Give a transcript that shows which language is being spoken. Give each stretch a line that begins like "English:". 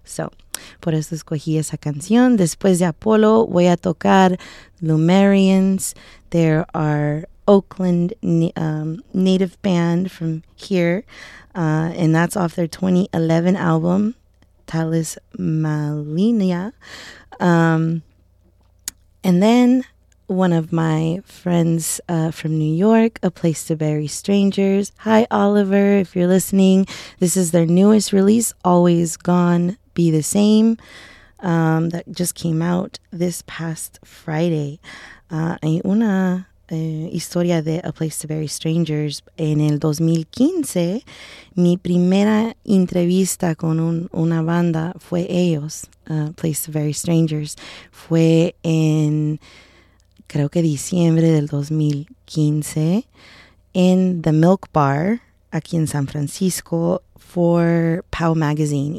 Spanish: So, por eso escogí esa canción. Después de Apolo voy a tocar Lumerians.
English: There are Oakland native band from here. And that's off their 2011 album, Talismania. And then one of my friends from New York, A Place to Bury Strangers. Hi, Oliver, if you're listening. This is their newest release, Always Gone, Be the Same, that just came out this past Friday.
Spanish: Hay una historia de A Place to Bury Strangers. En el 2015, mi primera entrevista con una banda fue ellos, A Place to Bury Strangers. Fue en creo que diciembre del 2015, en The Milk Bar, aquí en San Francisco,
English: for POW Magazine.